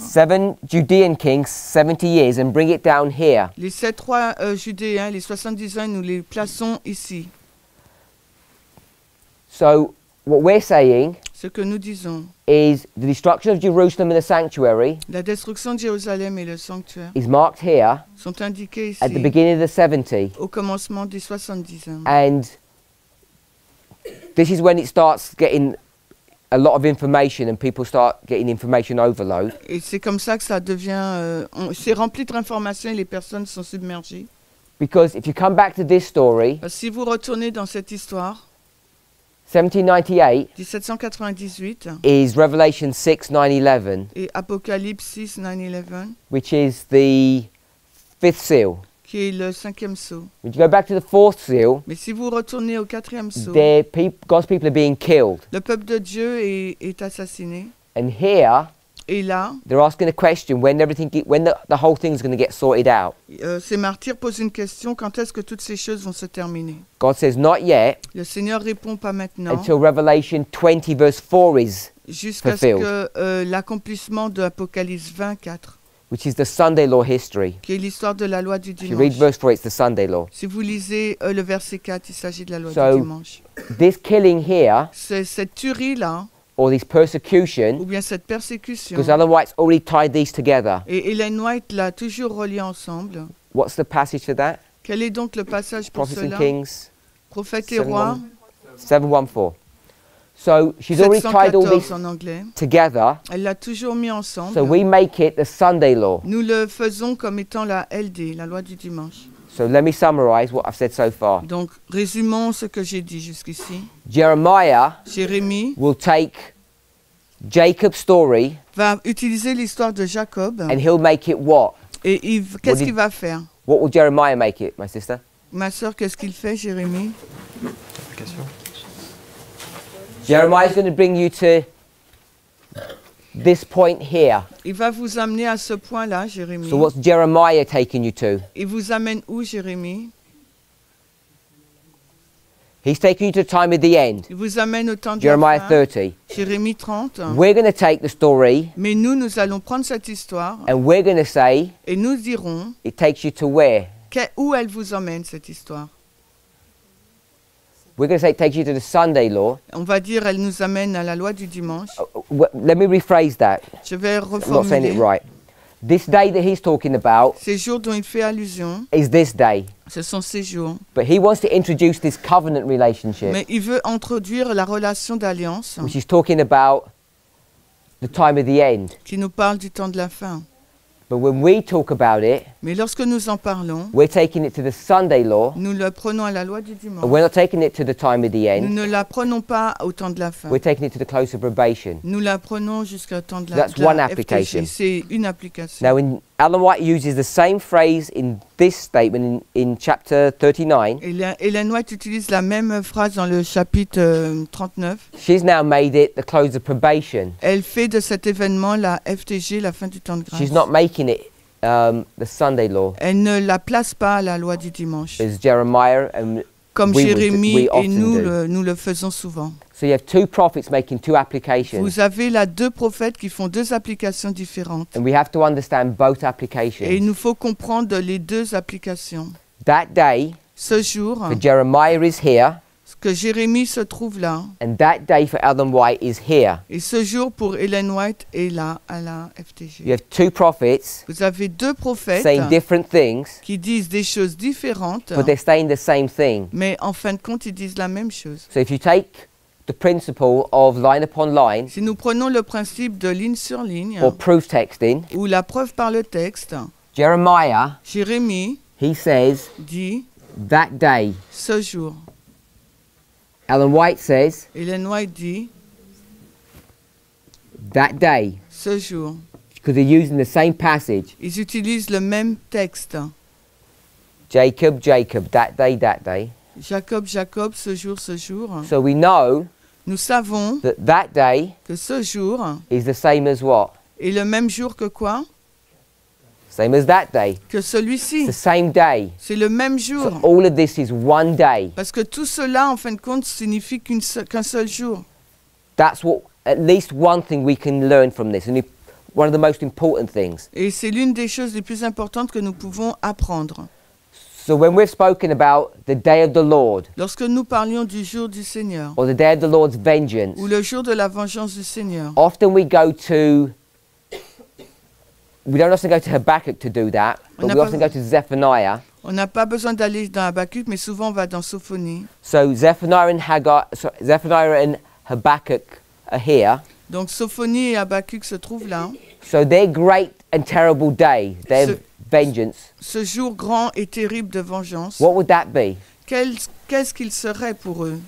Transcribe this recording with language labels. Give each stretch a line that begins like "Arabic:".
English: seven Judean kings, 70 years, and bring it down here.
French: Les sept rois judéens, les 70 ans, nous les plaçons ici.
English: So, what we're saying,
French: ce que nous disons,
English: is the destruction of Jerusalem and the sanctuary,
French: la destruction de Jérusalem et le sanctuaire,
English: is marked here,
French: sont indiqués ici,
English: at the beginning of the 70,
French: au commencement des 70 ans.
English: And this is when it starts getting a lot of information and people start getting information overload.
French: Et c'est comme ça que ça devient c'est rempli d'informations et les personnes sont submergées.
English: Because if you come back to this story,
French: si vous retournez dans cette histoire,
English: 1798 is Revelation 6:9-11.
French: Et Apocalypse 6:9-11,
English: which is the fifth seal.
French: qui est le cinquième sceau.
English: When you go back to the fourth seal,
French: mais si vous retournez au quatrième sceau,
English: God's people are being killed.
French: Le peuple de Dieu est assassiné.
English: And here,
French: et là,
English: they're asking a question: when the whole thing is going to get sorted out?
French: Ces martyrs posent une question: quand est-ce que toutes ces choses vont se terminer?
English: God says not yet.
French: Le Seigneur répond pas maintenant.
English: Until Revelation 20 verse 4 is
French: jusqu'à
English: fulfilled.
French: Jusqu'à ce que l'accomplissement de Apocalypse 24.
English: Which is the Sunday law history.
French: Qui est l'histoire de la loi du dimanche.
English: If you read verse 4, it's the Sunday law.
French: Si vous lisez le verset 4, il s'agit de la loi
English: so
French: du dimanche.
English: This killing here,
French: cette tuerie là,
English: or this persecution,
French: ou bien cette persécution,
English: because otherwise it's already tied these together.
French: Et Ellen White l'a toujours relié ensemble.
English: What's the passage for that?
French: Quel est donc le passage pour
English: Prophets
French: cela?
English: And Kings,
French: Prophète et Roi.
English: 714. So she's already tied all these together.
French: Elle l'a toujours mis ensemble.
English: So we make it the Sunday law.
French: Nous le faisons comme étant la LD, la loi du dimanche.
English: So let me summarize what I've said so far.
French: Donc résumons ce que j'ai dit jusqu'ici.
English: Jeremiah,
French: Jérémie,
English: will take Jacob's story.
French: Va utiliser l'histoire de Jacob.
English: And he'll make it what?
French: Et qu'est-ce qu'il va faire?
English: What will Jeremiah make it, my sister?
French: Ma sœur, qu'est-ce qu'il fait, Jérémie?
English: Question. Jeremiah is going to bring you to this point here.
French: Il va vous amener à ce point là, Jérémie.
English: So what's Jeremiah taking you to?
French: Il vous amène où, Jérémie?
English: He's taking you to the time of the end.
French: Il vous amène au temps de
English: Jeremiah
French: la fin.
English: 30.
French: Jérémie 30.
English: We're going to take the story.
French: Mais nous allons prendre cette histoire.
English: And we're going to say.
French: Et nous dirons.
English: It takes you to where?
French: Où elle vous emmène cette histoire?
English: We're going to say it takes you to the Sunday law.
French: On va dire elle nous amène à la loi du dimanche.
English: Let me rephrase that.
French: Je vais reformuler.
English: I'm not saying it right. This day that he's talking about.
French: Ces jours dont il fait allusion.
English: Is this day.
French: Ce sont ces jours.
English: But he wants to introduce this covenant relationship.
French: Mais il veut introduire la relation d'alliance.
English: Which he's talking about the time of the end.
French: Qui nous parle du temps de la fin.
English: But when we talk about it,
French: mais lorsque nous en parlons,
English: we're taking it to the Sunday law.
French: Nous le prenons à la loi du dimanche.
English: And we're not taking it to the time of the end.
French: Nous ne la prenons pas au temps de la fin.
English: We're taking it to the close of probation.
French: Nous la prenons jusqu'au temps de la fin.
English: That's one application.
French: C'est une application.
English: Now, when Ellen White uses the same phrase in this statement in chapter 39,
French: Ellen White utilise la même phrase dans le chapitre 39.
English: She's now made it the close of probation.
French: Elle fait de cet événement la FTG, la fin du temps de grâce.
English: She's not making it the Sunday law.
French: Elle ne la place pas à la loi du dimanche.
English: As Jeremiah and
French: comme
English: we
French: Jérémie
English: would, we
French: et nous, nous le faisons souvent.
English: So you have two prophets making two applications.
French: Vous avez là deux prophètes qui font deux applications différentes.
English: And we have to understand both applications.
French: Et il nous faut comprendre les deux applications.
English: That day,
French: ce jour,
English: for Jeremiah is here.
French: Que Jérémie se trouve là.
English: And that day for Ellen White is here.
French: Et ce jour pour Ellen White est là à la FTG.
English: You have two prophets.
French: Vous avez deux prophètes
English: saying different things.
French: Qui disent des choses différentes.
English: But they're saying the same thing.
French: Mais en fin de compte, ils disent la même chose.
English: So if you take the principle of line upon line.
French: Si nous prenons le principe de ligne sur ligne.
English: Or proof texting.
French: Ou la preuve par le texte.
English: Jeremiah.
French: Jérémie.
English: He says.
French: Dit.
English: That day.
French: Ce jour.
English: Ellen White says.
French: Ellen White dit.
English: That day.
French: Ce jour.
English: Because they're using the same passage.
French: Ils utilisent le même texte.
English: Jacob, Jacob, that day, that day.
French: Jacob, Jacob, ce jour, ce jour.
English: So we know.
French: Nous savons.
English: That that day.
French: Que ce jour.
English: Is the same as what?
French: Est le même jour que quoi?
English: Same as that day.
French: Que celui-ci.
English: The same day.
French: C'est le même jour.
English: So all of this is one day.
French: Parce que tout cela, en fin de compte, signifie qu'un seul jour.
English: That's what, at least one thing we can learn from this. And one of the most important things.
French: Et c'est l'une des choses les plus importantes que nous pouvons apprendre.
English: So when we've spoken about the day of the Lord.
French: Lorsque nous parlions du jour du Seigneur.
English: Or the day of the Lord's vengeance.
French: Ou le jour de la vengeance du Seigneur.
English: Often we go to. We don't often go to Habakkuk to do that, but we often go to Zephaniah.
French: On n'a pas besoin d'aller dans Habakkuk, mais souvent on va dans Sophonie.
English: So Zephaniah and Haggai, Zephaniah and Habakkuk are here.
French: Donc Sophonie et Habakkuk se trouvent là.
English: So their great and terrible day, their vengeance.
French: Ce jour grand et terrible de vengeance.
English: What would that be?
French: Qu'est-ce qu'il serait pour eux?